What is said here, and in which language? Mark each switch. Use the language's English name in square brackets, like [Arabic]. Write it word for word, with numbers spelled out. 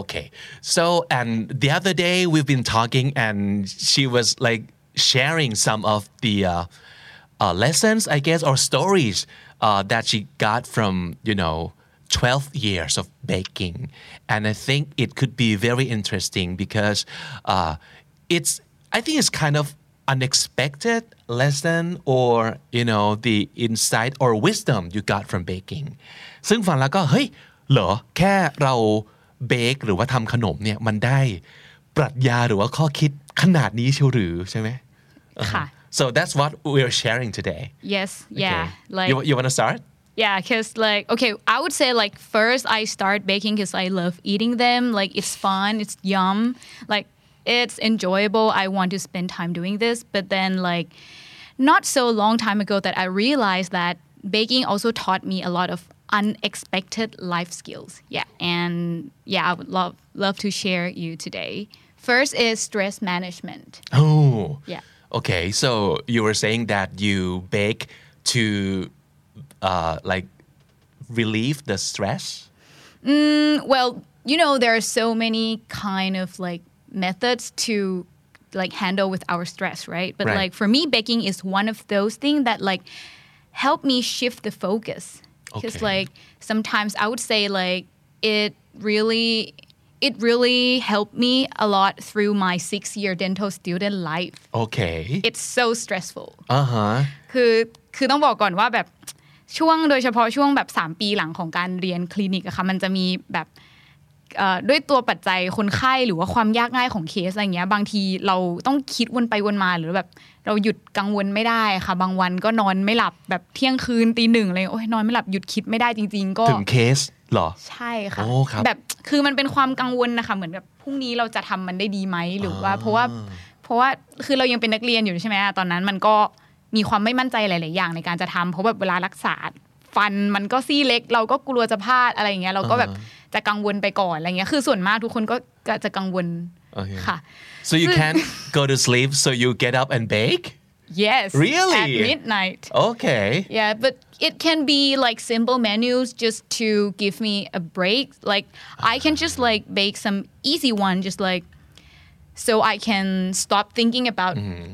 [English] Okay, so and the other day we've been talking and she was like sharing some of the uh, uh, lessons, I guess, or stories uh, that she got from, you know, twelve years of baking. And I think it could be very interesting because uh, it's, I think it's kind of unexpected lesson or, you know, the insight or wisdom you got from baking. [Thai] ซึ่งฟังแล้วก็เฮ้ยเหรอแค่เราเบคหรือว่าทำขนมเนี่ยมันได้ปรัชญาหรือว่าข้อคิดขนาดนี้เชียวหรือใช่ไหม ค่ะ [English] So that's what we're sharing today. Yes, yeah. Okay. Like you, you want to start? Yeah, because like okay, I would say like first I start baking because I love eating them. Like it's fun, it's yum, like it's enjoyable. I want to spend time doing this. But then like not so long time ago that I realized that baking also taught me a lot of. Unexpected life skills. Yeah. And yeah, I would love love to share you today. First is stress management. Oh. Yeah. Okay. So you were saying that you bake to uh, like relieve the stress? Mm, well, you know, there are so many kind of like methods to like handle with our stress, right? But right. like for me, baking is one of those things that like help me shift the focus. Because okay. like sometimes I would say like it really it really helped me a lot through my six year dental student life. Okay. It's so stressful. [Thai] อ่าฮะ คือคือต้องบอกก่อนว่าแบบช่วงโดยเฉพาะช่วงแบบสามปีหลังของการเรียนคลินิกอะค่ะมันจะมีแบบเอ่อด้วยตัวปัจจัยคนไข้หรือว่าความยากง่ายของเคสอะไรอย่างเงี้ยบางทีเราต้องคิดวนไปวนมาหรือแบบเราหยุดกังวลไม่ได้ค่ะบางวันก็นอนไม่หลับแบบเที่ยงคืนตีหนึ่งเลยโอ๊ยนอนไม่หลับหยุดคิดไม่ได้จริงๆก็ ถึงเคสเหรอ ใช่ค่ะ โอ้ครับ แบบคือมันเป็นความกังวลนะคะเหมือนแบบพรุ่งนี้เราจะทำมันได้ดีไหมหรือว่าเพราะว่าเพราะว่าคือเรายังเป็นนักเรียนอยู่ใช่ไหมตอนนั้นมันก็มีความไม่มั่นใจหลายๆอย่างในการจะทำเพราะแบบเวลารักษาฟันมันก็ซี่เล็กเราก็กลัวจะพลาดอะไรอย่างเงี้ยเราก็แบบจะกังวลไปก่อนอะไรเงี้ยคือส่วนมากทุกคนก็จะกังวลค่ะ [English] So you can't go to sleep so you get up and bake? Yes. Really? At midnight. Okay. Yeah, but it can be like simple menus just to give me a break. Like I can just like bake some easy one just like so I can stop thinking about mm-hmm.